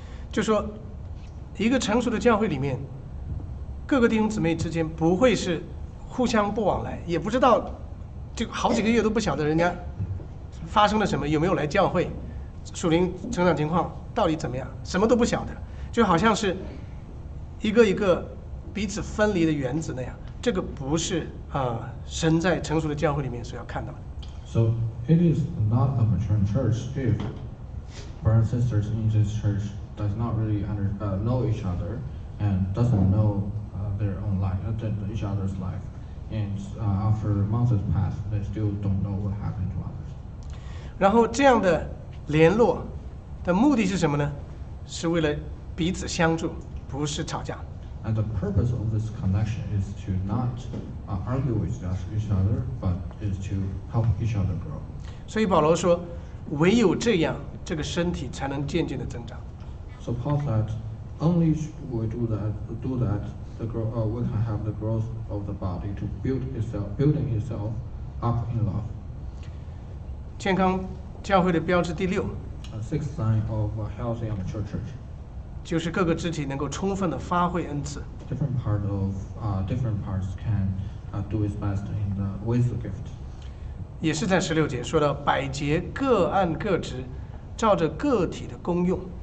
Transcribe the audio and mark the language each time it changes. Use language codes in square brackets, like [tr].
[zh] 就说，一个成熟的教会里面，各个弟兄姊妹之间不会是互相不往来，也不知道就好几个月都不晓得人家。发生了什么？有没有来教会？属灵成长情况到底怎么样？什么都不晓得，就好像是一个一个彼此分离的原子那样。这个不是神在成熟的教会里面所要看到的。 [en] So it is not a mature church if brothers and sisters in this church does not really know each other and doesn't know their own life, each other's life, and after months have passed, they still don't know what happened to others. [zh] 然后这样的联络的目的是什么呢？是为了彼此相助，不是吵架。 [en] And the purpose of this connection is to not argue with each other, but is to help each other grow. [zh] 所以保罗说，唯有这样，这个身体才能渐渐的增长。 [en] So Paul said, only we do that, the growth we can have the growth of the body to building itself up in love. [zh] 健康教会的标志第六 [en] sixth sign of a healthy and mature church [zh] 就是各个肢体能够充分的发挥恩赐 [en] different parts can do its best in the with the gift [zh] 也是在十六节说到百节各按各职照着个体的功用